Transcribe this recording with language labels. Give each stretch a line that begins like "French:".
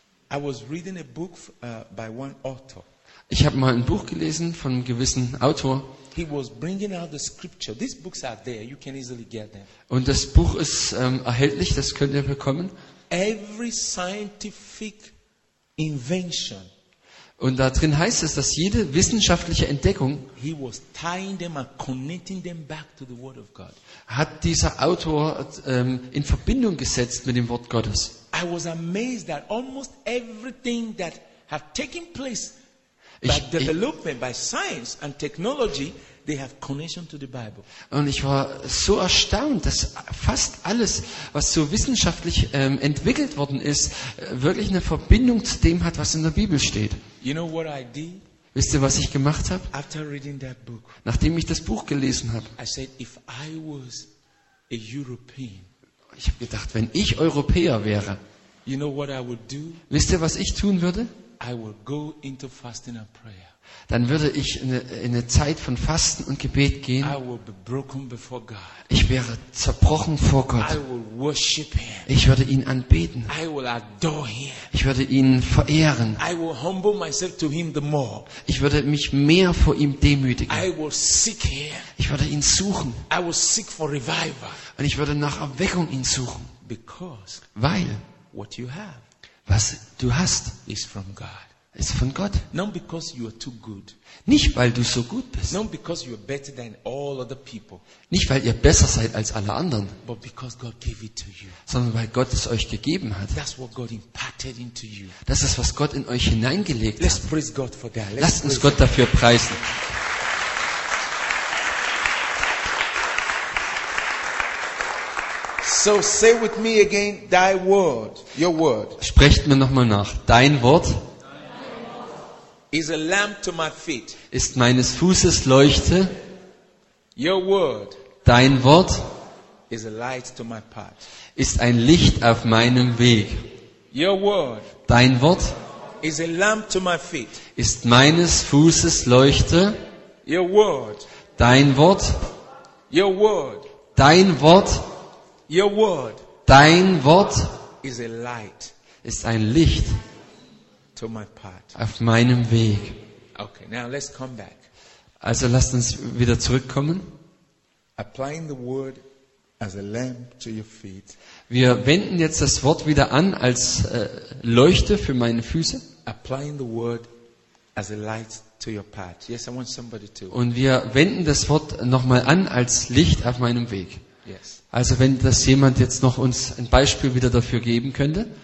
English: I was reading a book by one author.
German: Ich habe mal ein Buch gelesen von einem gewissen Autor.
English: He was bringing out the scripture. These books are there. You can easily get them.
German: Und das Buch ist erhältlich, das könnt ihr bekommen.
English: Every scientific invention.
German: Und da drin heißt es, dass jede wissenschaftliche Entdeckung hat dieser Autor in Verbindung gesetzt mit dem Wort Gottes.
English: I was amazed that almost everything that had taken place by development, by science and technology, they have connection to the Bible.
German: Und ich war so erstaunt, dass fast alles, was so wissenschaftlich entwickelt worden ist, wirklich eine Verbindung zu dem hat, was in der Bibel steht.
English: You know what I did?
German: Wisst ihr, was ich gemacht habe?
English: After reading that book,
German: nachdem ich das Buch gelesen habe,
English: I said, if I was a European,
German: ich habe gedacht, wenn ich Europäer wäre,
English: you know what I would do?
German: Wisst ihr, was ich tun würde?
English: I would go into fasting and prayer.
German: Dann würde ich in eine Zeit von Fasten und Gebet gehen.
English: I will be broken before God.
German: Ich wäre zerbrochen vor Gott.
English: I will worship him.
German: Ich würde ihn anbeten.
English: I will adore him.
German: Ich würde ihn verehren.
English: I will humble myself to him the more.
German: Ich würde mich mehr vor ihm demütigen.
English: I will seek him.
German: Ich würde ihn suchen.
English: I will seek for revival.
German: Und ich würde nach Erweckung ihn suchen.
English: Because
German: weil
English: what you have,
German: was du hast,
English: is from God.
German: Ist von Gott.
English: Not because you are too good.
German: Nicht weil du so gut bist.
English: Not because you are better than all other people.
German: Nicht weil ihr besser seid als alle anderen.
English: But because God gave it to you.
German: Sondern weil Gott es euch gegeben hat.
English: That's what God imparted into you.
German: Das ist was Gott in euch hineingelegt
English: Let's
German: hat.
English: Praise God for that.
German: Lasst uns Gott dafür preisen.
English: So say with me again, thy word, your word.
German: Sprecht mir nochmal nach, dein Wort.
English: Is a lamp to my feet.
German: Ist meines Fußes Leuchte.
English: Your word.
German: Dein Wort.
English: Is a light to my path.
German: Ist ein Licht auf meinem Weg.
English: Your word.
German: Dein Wort.
English: Is a lamp to my feet.
German: Ist meines Fußes Leuchte.
English: Your word.
German: Dein Wort.
English: Your word.
German: Dein Wort.
English: Your word.
German: Dein Wort.
English: Is a light.
German: Ist ein Licht.
English: To my path.
German: Auf meinem Weg.
English: Okay, now let's come back.
German: Also lasst uns wieder zurückkommen.
English: Applying the word as a lamp to your feet.
German: Wir wenden jetzt das Wort wieder an als Leuchte für meine Füße.
English: Applying the word as a light to your path. Yes, I want somebody to.
German: Und wir wenden das Wort nochmal an als Licht auf meinem Weg.
English: Yes.
German: Also wenn das jemand jetzt noch uns ein Beispiel wieder dafür geben könnte.